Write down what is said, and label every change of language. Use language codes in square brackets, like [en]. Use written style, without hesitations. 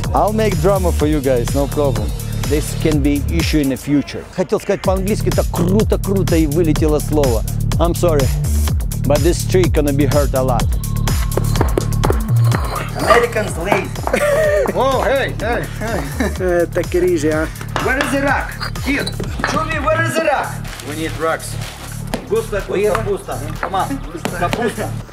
[en] I'll make drama for you guys, no problem. This can be issue in the future. [ru] Хотел сказать по-английски, так круто-круто и вылетело слово. [en] I'm sorry, but this tree gonna be hurt a lot. Americans late. Oh, hey. [ru] Это крыжа, а? [en] Where is the rock? Here. Show me where is the rock? We need rocks. [ru] Густа, капуста. [en] Come on, [ru] густа, капуста.